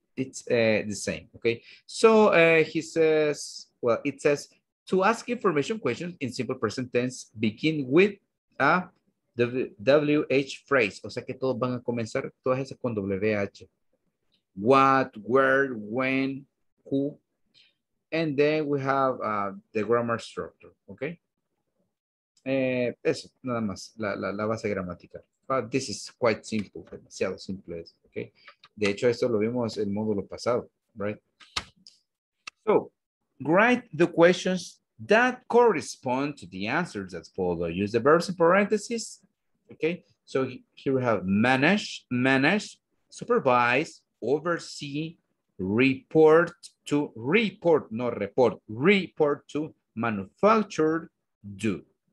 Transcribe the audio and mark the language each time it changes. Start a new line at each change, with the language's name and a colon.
English: It's the same. Okay. So he says, well, it says to ask information questions in simple present tense, begin with a WH phrase,
Spanish: o sea que todos van a comenzar todas esas con WH.
English: What, where, when, who, and then we have the grammar structure, okay?
Spanish: Eso, nada más, la base gramatical.
English: But this is quite simple,
Spanish: demasiado simple, okay? De hecho, esto lo vimos en el módulo pasado, right?
English: So, write the questions that correspond to the answers that follow. Use the verbs in parentheses. Okay, so here we have manage, supervise, oversee, report to, manufacture, do.